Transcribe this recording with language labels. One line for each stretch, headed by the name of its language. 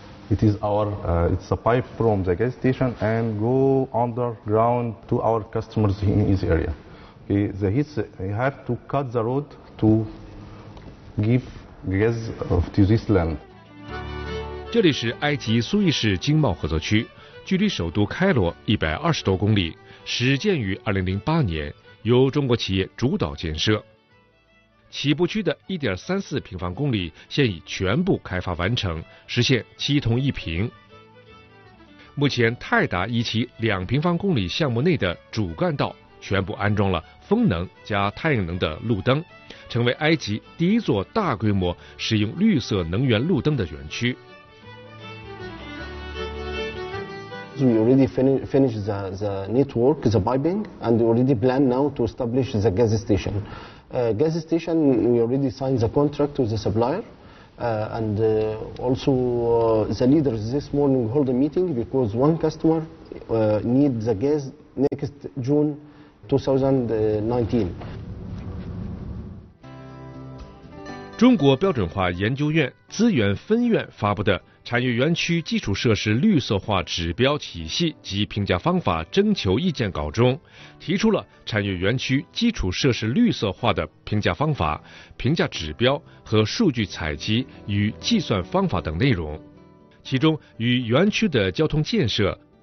English: It is our, it's a pipe from the gas station and go underground to our customers in this area. The heat, you have to cut the road to give gas to this land.
Chinese: 这里是埃及苏伊士经贸合作区，距离首都开罗120多公里，始建于2008年，由中国企业主导建设。起步区的1.34平方公里现已全部开发完成，实现七通一平。目前泰达以其2平方公里项目内的主干道全部安装了风能加太阳能的路灯，成为埃及第一座大规模使用绿色能源路灯的园区。
English: We already finished the network, the piping, and we already plan now to establish the gas station. Gas station, we already signed the contract with the supplier, and also the leaders this morning hold a meeting because one customer needs the gas next June 2019.
Chinese: 中国标准化研究院资源分院发布的产业园区基础设施绿色化指标体系及评价方法征求意见稿中，提出了产业园区基础设施绿色化的评价方法、评价指标和数据采集与计算方法等内容，其中与园区的交通建设、